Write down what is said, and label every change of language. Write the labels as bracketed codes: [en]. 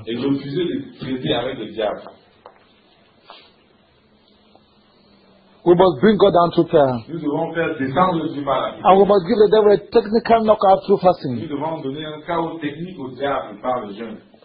[fr] Et je refuse de traiter avec le diable. [en] We must bring God down to prayer. [fr] Nous devons faire descendre Dieu par la prière. [en] And we must give the devil a technical knockout through fasting. [fr] Nous devons donner un chaos technique au diable par le jeûne.